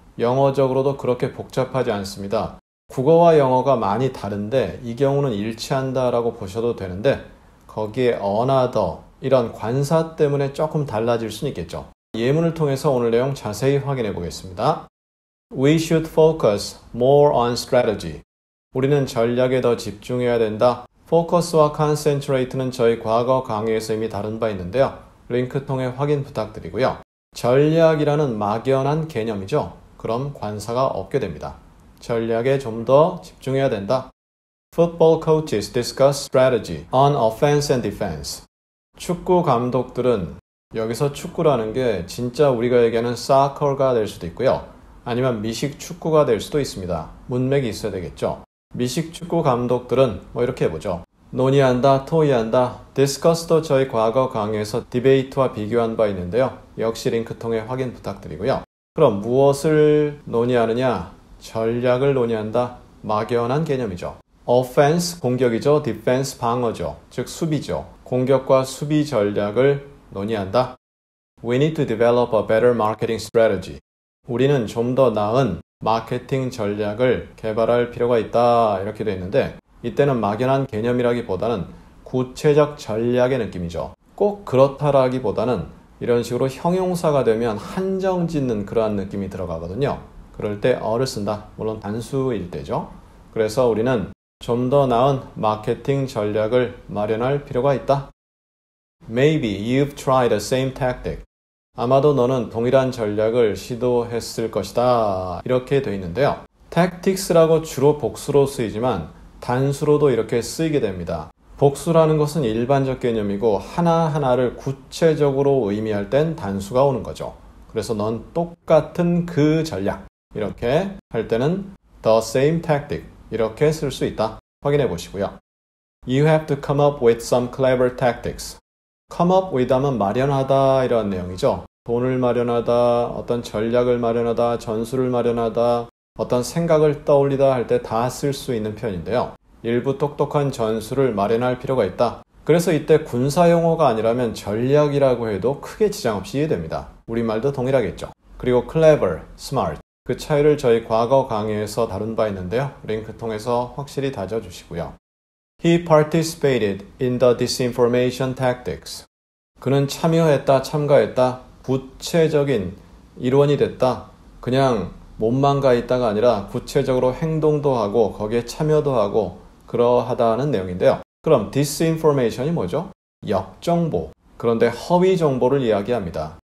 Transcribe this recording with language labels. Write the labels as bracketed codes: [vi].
[ko] 영어적으로도 그렇게 복잡하지 않습니다. 국어와 영어가 많이 다른데 이 경우는 일치한다라고 보셔도 되는데 거기에 another, 이런 관사 때문에 조금 달라질 수는 있겠죠. 예문을 통해서 오늘 내용 자세히 확인해 보겠습니다. [en] We should focus more on strategy. [ko] 우리는 전략에 더 집중해야 된다. Focus와 concentrate는 저희 과거 강의에서 이미 다룬 바 있는데요. 링크 통해 확인 부탁드리고요. 전략이라는 막연한 개념이죠. 그럼 관사가 없게 됩니다. 전략에 좀 더 집중해야 된다. [en] Football coaches discuss strategy on offense and defense. [ko] 축구 감독들은, 여기서 축구라는 게 진짜 우리가 얘기하는 사커가 될 수도 있고요. 아니면 미식 축구가 될 수도 있습니다. 문맥이 있어야 되겠죠. 미식 축구 감독들은 뭐 이렇게 해보죠. 논의한다, 토의한다, discuss도 저희 과거 강의에서 debate와 비교한 바 있는데요. 역시 링크 통해 확인 부탁드리고요. 그럼 무엇을 논의하느냐? 전략을 논의한다. 막연한 개념이죠. Offense, 공격이죠. Defense, 방어죠. 즉, 수비죠. 공격과 수비 전략을 논의한다. [en] We need to develop a better marketing strategy. [ko] 우리는 좀 더 나은 마케팅 전략을 개발할 필요가 있다. 이렇게 되어 있는데 이때는 막연한 개념이라기보다는 구체적 전략의 느낌이죠. 꼭 그렇다라기보다는 이런 식으로 형용사가 되면 한정짓는 그러한 느낌이 들어가거든요. 그럴 때 어를 쓴다. 물론 단수일 때죠. 그래서 우리는 좀 더 나은 마케팅 전략을 마련할 필요가 있다. [en] Maybe you've tried the same tactic. [ko] 아마도 너는 동일한 전략을 시도했을 것이다. 이렇게 돼 있는데요. Tactics라고 주로 복수로 쓰이지만 단수로도 이렇게 쓰이게 됩니다. 복수라는 것은 일반적 개념이고 하나하나를 구체적으로 의미할 땐 단수가 오는 거죠. 그래서 넌 똑같은 그 전략 이렇게 할 때는 [en] the same tactic [ko] 이렇게 쓸 수 있다. 확인해 보시고요. [en] You have to come up with some clever tactics. Come up with [ko] 하면 마련하다 이런 내용이죠. 돈을 마련하다, 어떤 전략을 마련하다, 전술을 마련하다, 어떤 생각을 떠올리다 할 때 다 쓸 수 있는 표현인데요. 일부 똑똑한 전술을 마련할 필요가 있다. 그래서 이때 군사 용어가 아니라면 전략이라고 해도 크게 지장 없이 이해됩니다. 우리말도 동일하겠죠. [en] 그리고 clever, smart. [ko] 그 차이를 저희 과거 강의에서 다룬 바 있는데요. 링크 통해서 확실히 다져주시고요. [en] He participated in the disinformation tactics. [ko] 그는 참여했다, 참가했다, 구체적인 일원이 됐다. 그냥 몸만 가 있다가 아니라 구체적으로 행동도 하고 거기에 참여도 하고 그러하다는 내용인데요. 그럼 disinformation이 뭐죠? 역정보, 그런데 허위 정보를 이야기합니다.